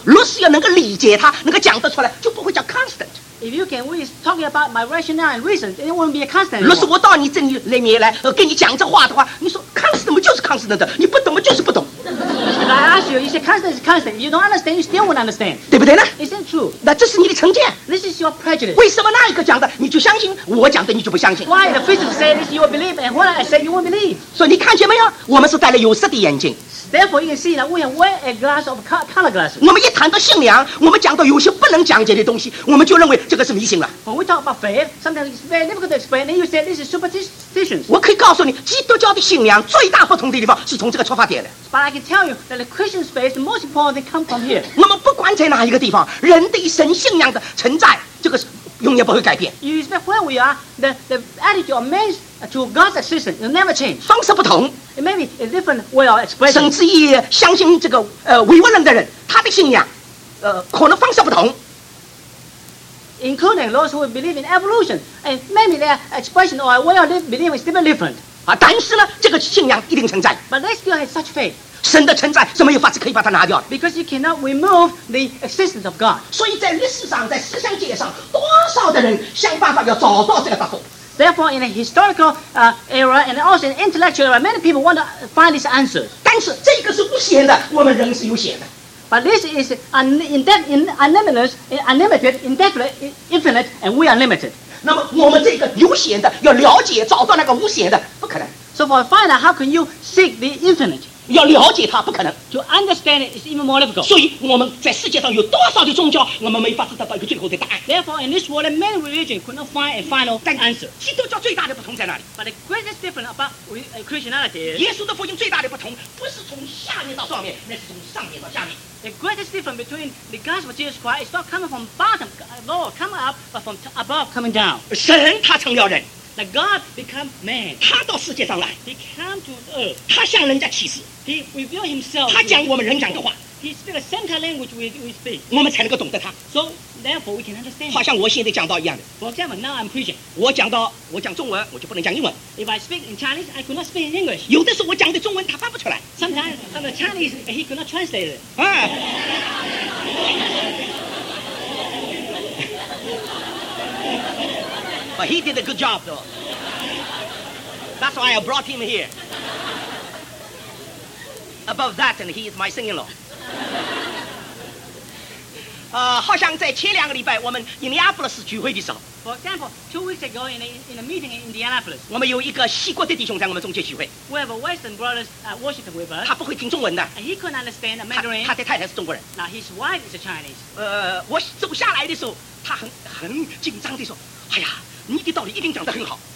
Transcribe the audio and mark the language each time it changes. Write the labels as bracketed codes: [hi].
[zh] 如果要能够理解它，能够讲得出来，就不会叫 constant. [en] If you can really talk about my rationale and reason, it won't be a constant. [zh] 如果我到你这里里面来跟你讲这话的话，你说 constant 就是 constant 的，你不懂就是不懂。 [en] If I ask you, you say constant is constant. You don't understand, you still won't understand. [zh] 对不对呢？ [en] Isn't true? [zh] 那这是你的成见。 [en] This is your prejudice. [zh] 为什么那一个讲的你就相信，我讲的你就不相信？ [en] Why the physics say this, you will believe, and what I say, you won't believe. [zh] 所以你看见没有？我们是戴了有色的眼镜。 [en] Therefore, you can see that we have wear a glass of color glasses. [zh] 我们一谈到信仰，我们讲到有些不能讲解的东西，我们就认为这个是迷信了。 [en] When we talk about faith, sometimes it's very difficult to explain, and you say this is superstitions. [zh] 我可以告诉你，基督教的信仰最大不同的地方是从这个出发点的。 [en] But I can tell you that the Christian faith, the most important thing comes from here. [zh] 那么不管在哪一个地方，人的神信仰的存在，这个是永远不会改变。 [en] You expect where we are, the attitude of men to God's existence will never change. [zh] 方式不同。 [en] Maybe a different way of expressing. [zh] 甚至于相信这个唯物论的人，他的信仰，可能方式不同。 [en] Including those who believe in evolution, and maybe their expression or way of believing is still different. [zh] 但是呢，这个信仰一定存在。 [en] But they still have such faith. [zh] 神的存在是没有法子可以把它拿掉的。 [en] Because you cannot remove the existence of God. [zh] 所以在历史上，在思想界上，多少的人想办法要找到这个答复。 [en] Therefore, in a historical era and also in intellectual era, many people want to find this answer. [zh] 但是这个是无限的，我们人是有限的。 [en] But this is unlimited, indefinite, infinite, and we are limited. [zh] 那么我们这个有限的要了解找到那个无限的，不可能。 [en] So for finite, how can you seek the infinite? [zh] 要了解它不可能。 [en] To understand it is even more difficult. [zh] 所以我们在世界上有多少的宗教，我们没法子得到一个最后的答案。 [en] Therefore, in this world, many religions could not find a final answer. [zh] 基督教最大的不同在哪里？ [en] But the greatest difference about Christianity is [zh] 耶稣的福音最大的不同不是从下面到上面，那是从上面到下面。 [en] The greatest difference between the gospel of Jesus Christ is not coming from bottom, Lord, coming up, but from above, coming down. [zh] 神他成了人。 [en] Now God became man. [zh] 他到世界上来。 [en] He came to earth. [zh] 他向人家启示。 [en] He revealed himself. [zh] 他讲我们人讲的话。 [en] He speaks the same kind of language we speak. [zh] 我们才能够懂得他。 [en] So therefore we can understand. [zh] 好像我现在讲到一样的。 [en] For example, now I'm preaching. [zh] 我讲中文，我就不能讲英文。 [en] If I speak in Chinese, I could not speak in English. [zh] 有的时候我讲的中文他发不出来。 [en] Sometimes from the Chinese, he could not translate it. 啊。 But he did a good job, though. That's why I brought him here. Above that, and he is my son-in-law. [zh] 好像在前两个礼拜，我们 Indianapolis 聚会的时候。 [en] For example, 2 weeks ago in a meeting in Indianapolis. [zh] 我们有一个西国的弟兄在我们中间聚会。 [en] We have a Western brothers worshiping with us. [zh] 他不会听中文的。 [en] And he couldn't understand a Mandarin. [zh] 他的太太是中国人。 [en] Now his wife is a Chinese. [zh] 我走下来的时候，他很紧张地说：“哎呀。” 你的道理一定讲得很好。